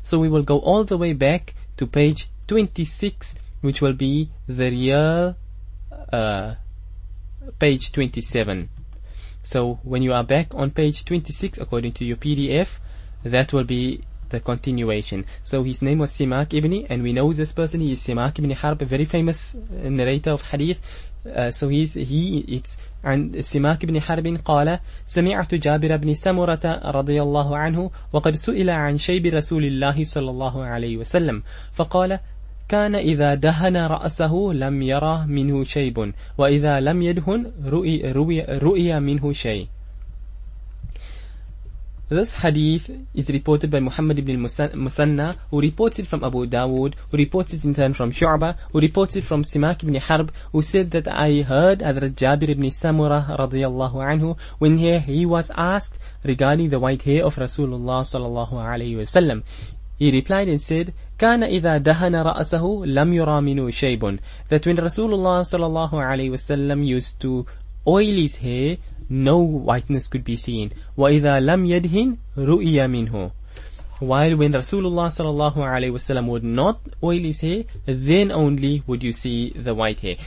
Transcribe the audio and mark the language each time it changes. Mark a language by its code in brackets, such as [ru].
[en] So we will go all the way back to page 26, which will be the real page 27. So when you are back on page 26 according to your PDF, that will be the continuation. So his name was Simak ibn, and we know this person, he is Simak ibn Harb, a very famous narrator of hadith. [ar] So عن سماك بن حرب قال سمعت جابر بن سمرة رضي الله عنه وقد سئل عن شيب رسول الله صلى الله عليه وسلم فقال كان إذا دهن رأسه لم يرى منه شيب وإذا لم يدهن رؤي منه شيء. [en] This hadith is reported by Muhammad ibn al-Muthanna, who reports it from Abu Dawood, who reports it in turn from Shu'bah, who reports it from Simak ibn Harb, who said that I heard Hazrat Jabir ibn Samurah radiyallahu anhu, when he was asked regarding the white hair of Rasulullah sallallahu alayhi wa sallam. He replied and said, [ar] كان إذا دهن رأسه لم يرى منه شيء. [en] That when Rasulullah sallallahu alayhi wa sallam used to oil his hair, no whiteness could be seen. [ar] وَإِذَا لَمْ يَدْهِنْ رُؤِيَ مِنْهُ. [en] While when Rasulullah sallallahu alaihi wasallam would not oil his hair, then only would you see the white hair.